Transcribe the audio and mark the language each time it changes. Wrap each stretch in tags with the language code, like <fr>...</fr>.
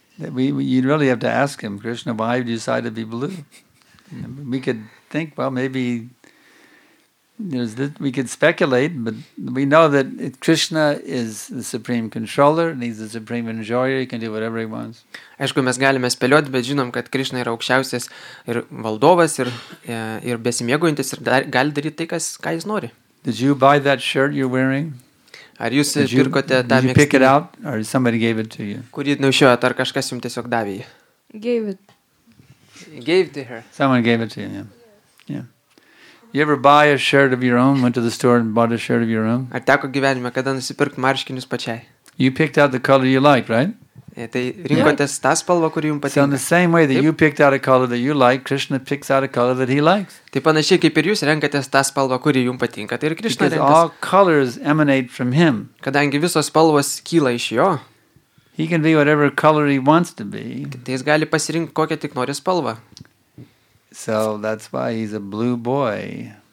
<en>You'd really have to ask him, Krishna, why did you decide to be blue? We could think, well, maybe there's this, we could speculate, but we know that Krishna is the supreme controller, and he's the supreme enjoyer, he can do whatever he wants.</en> <lt>Aišku, mes galime spėlioti, bet žinom, kad Krishna yra aukščiausias ir valdovas, ir besimėgojantis, ir gali daryti tai, ką jis nori.</lt> <en>Did you buy that shirt you're wearing?</en> <lt>Ar jūs pirkote tą megztinį?</lt> <en>Did you pick it out or somebody gave it to you?</en> <lt>Kurį nešiojat, ar kažkas jums tiesiog davė?</lt> <en>Gave it to her. Someone gave it to you, yeah. Yeah. You ever buy a shirt of your own, went to the store and bought a shirt of your own?</en> <lt>Ar teko gyvenime kada nusipirkti marškinius pačiai?</lt> <en>You picked out the color you like, right?</en> <lt>Tai rinkotės tą spalvą, kurį jums patinka.</lt> <en>So in the same way that you picked out a color that you like, Krishna picks out a color that he likes.</en> <lt>Tai panašiai, kaip ir jūs renkatės tą spalvą, kurį jums patinka, tai ir Krishna renkas.</lt> <en>Because all colors emanate from him.</en> <lt>Kadangi visos spalvos kyla iš jo.</lt> <en>He can be whatever color he wants to be.</en> <lt>Tai jis gali pasirinkti kokią tik nori spalvą.</lt> <en>So that's why he's a blue boy.</en>